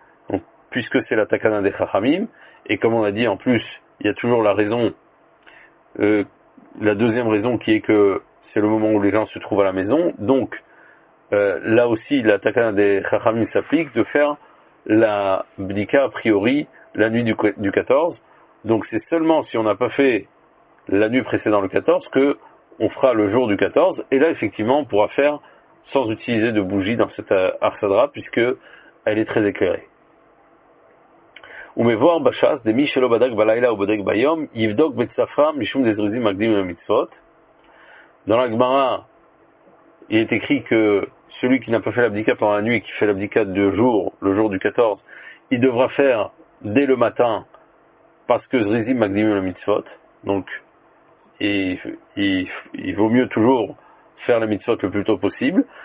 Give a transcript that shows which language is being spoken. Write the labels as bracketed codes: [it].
[fr] Donc, puisque c'est la takana des chachamim, et comme on a dit en plus, il y a toujours la raison, la deuxième raison qui est que c'est le moment où les gens se trouvent à la maison, donc là aussi, la takana des chachamim s'applique de faire la bdika a priori la nuit du 14. Donc c'est seulement si on n'a pas fait la nuit précédant le 14 que on fera le jour du 14. Et là, effectivement, on pourra faire sans utiliser de bougie dans cette arsadra puisque elle est très éclairée. [he] ומבואר בשס, דמי שלא בדק בלילה ובודק ביום, יבדוק בצפה משום דזריזים מקדימים למצוות. [fr] Dans la Gemara, il est écrit que celui qui n'a pas fait la bdika pendant la nuit, qui fait la bdika de jour, le jour du 14, il devra faire dès le matin, parce que [he] zrizim magdimim la mitzvot. [fr] Donc, il vaut mieux toujours faire la mitzvot le plus tôt possible.